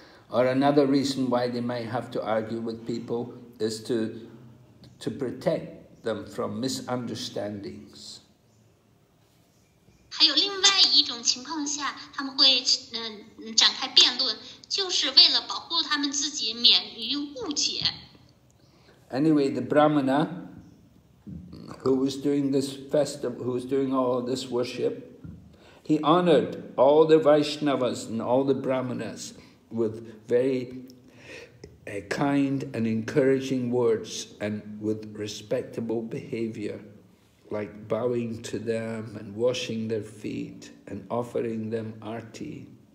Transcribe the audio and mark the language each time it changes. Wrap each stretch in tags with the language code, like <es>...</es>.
<en>Or another reason why they might have to argue with people is to protect them from misunderstandings.</en> <zh>还有另外一种情况下，他们会展开辩论，就是为了保护他们自己免于误解。</zh> <en>Anyway, the Brahmana who was doing this festival, who was doing all of this worship, he honored all the Vaishnavas and all the Brahmanas with very kind and encouraging words and with respectable behavior, like bowing to them and washing their feet and offering them arti.</en>